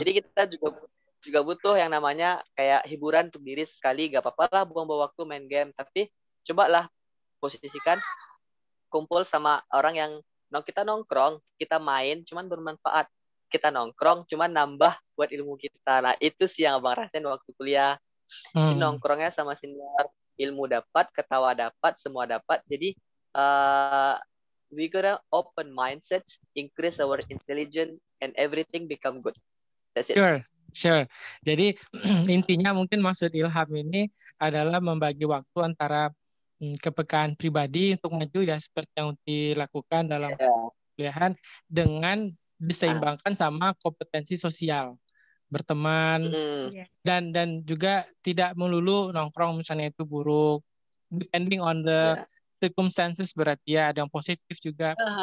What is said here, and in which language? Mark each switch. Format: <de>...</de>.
<id>Jadi kita juga butuh yang namanya kayak hiburan untuk diri sekali, enggak apa-apalah buang-buang waktu main game, tapi cobalah posisikan kumpul sama orang yang kita nongkrong, kita main, cuman bermanfaat. Kita nongkrong, cuman nambah buat ilmu kita. Nah, itu sih yang abang rasain waktu kuliah. Nongkrongnya sama senior, ilmu dapat, ketawa dapat, semua dapat.</id> <en>Jadi, we gotta open mindset, increase our intelligence, and everything become good. That's it. Sure. Sure.</en> <id>Jadi, intinya mungkin maksud Ilham ini adalah membagi waktu antara kepekaan pribadi untuk maju ya, seperti yang dilakukan dalam kuliahan, dengan diseimbangkan sama kompetensi sosial, berteman, dan juga tidak melulu nongkrong misalnya itu buruk,</id> <en>depending on the circumstances,</en> <id>berarti ya ada yang positif juga.</id>